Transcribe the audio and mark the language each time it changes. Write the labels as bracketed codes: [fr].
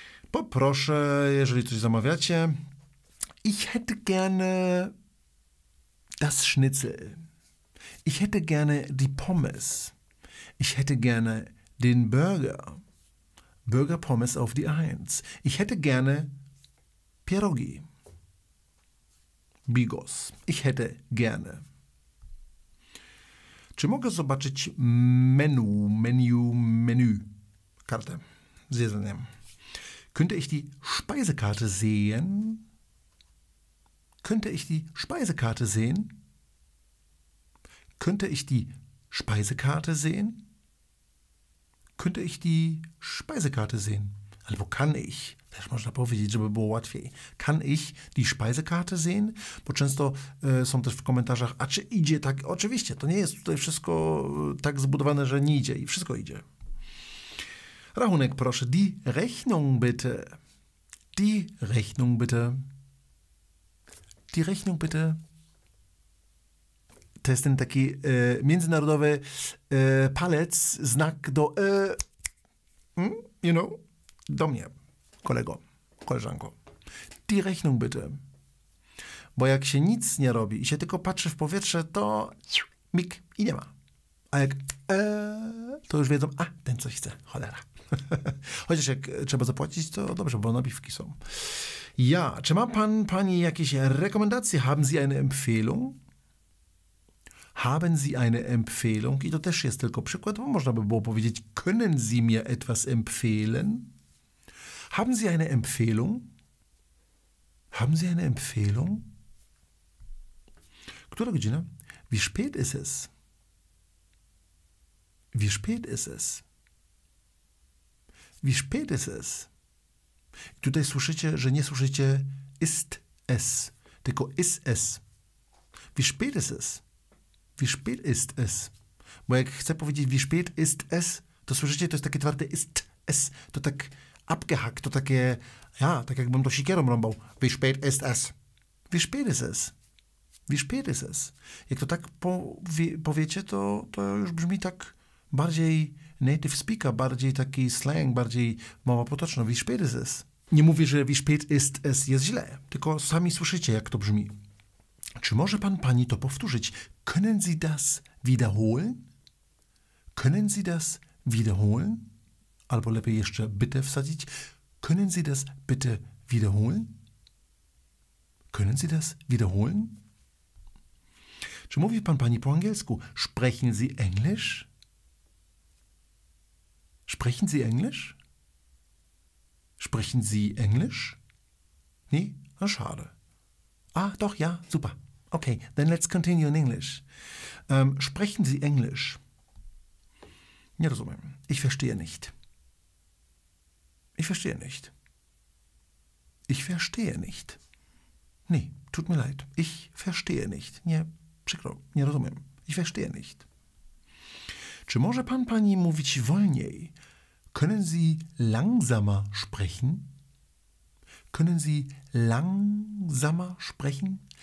[pl] Poproszę, jeżeli coś zamawiacie. [de] Ich hätte gerne das Schnitzel. Ich hätte gerne die Pommes. Ich hätte gerne den Burger. Burger Pommes auf die Eins. Ich hätte gerne Pierogi. Bigos. Ich hätte gerne. [pl] Czy mogę zobaczyć menu, menu, menu? Karte z jedzeniem. [de] Könnte ich die Speisekarte sehen? Könnte ich die Speisekarte sehen? Könnte ich die Speisekarte sehen? Könnte ich die Speisekarte sehen? [pl] Albo [de] kann ich? [pl] Też można powiedzieć, żeby było łatwiej. [de] Kann ich die Speisekarte sehen? [pl] Bo często są też w komentarzach, a czy idzie tak? Oczywiście, to nie jest tutaj wszystko tak zbudowane, że nie idzie i wszystko idzie. Rachunek proszę. [de] Die Rechnung bitte. Die Rechnung bitte. Die Rechnung bitte. [pl] To jest ten taki międzynarodowy palec, znak [en] do you know, [pl] do mnie, kolego, koleżanko. [de] Die Rechnung bitte. [pl] Bo jak się nic nie robi i się tylko patrzy w powietrze, to mik i nie ma. A jak to już wiedzą, a ten coś chce, cholera. Chociaż jak trzeba zapłacić, to dobrze, bo nabiwki są. Ja, czy ma pan, pani jakieś rekomendacje? [de] Haben Sie eine Empfehlung? Haben Sie eine Empfehlung? [pl] I to też jest tylko przykład, bo można by było powiedzieć, [de] können Sie mir etwas empfehlen? Haben Sie eine Empfehlung? Haben Sie eine Empfehlung? [pl] Która godzina? [de] Wie spät ist es? Wie spät ist es? Wie spät ist es? [pl] I tutaj słyszycie, że nie słyszycie [de] ist es, tylko ist es. Wie spät ist es? Wie spät ist es? [pl] Bo jak chcę powiedzieć [de] wie spät ist es, [pl] to słyszycie, to jest takie twarde [de] ist es. [pl] To tak abgehackt, to takie, ja, tak jakbym to sikierą rąbał. [de] Wie spät ist es? Wie spät ist es? Wie spät ist es? [pl] Jak to tak powiecie, to już brzmi tak bardziej native speaker, bardziej taki slang, bardziej mowa potoczna. [de] Wie spät ist es? [pl] Nie mówię, że [de] wie spät ist es [pl] jest źle, tylko sami słyszycie, jak to brzmi. Czy może pan, pani to powtórzyć? [de] Können Sie das wiederholen? Können Sie das wiederholen? [pl] Albo lepiej jeszcze bitte wsadzić. [de] Können Sie das bitte wiederholen? Können Sie das wiederholen? [pl] Czy mówi pan, pani po angielsku? [de] Sprechen Sie Englisch? Sprechen Sie Englisch? Sprechen Sie Englisch? Nee? Na schade. Ah, doch, ja, super. [en] Okay, then let's continue in English. [de] Sprechen Sie Englisch? [pl] Nie rozumiem. [de] Ich verstehe nicht. Ich verstehe nicht. Ich verstehe nicht. Nee, tut mir leid. Ich verstehe nicht. [pl] Nie, przykro, nie rozumiem. [de] Ich verstehe nicht. [pl] Czy może pan, pani mówić wolniej? [de] Können Sie langsamer sprechen? Können Sie langsamer sprechen?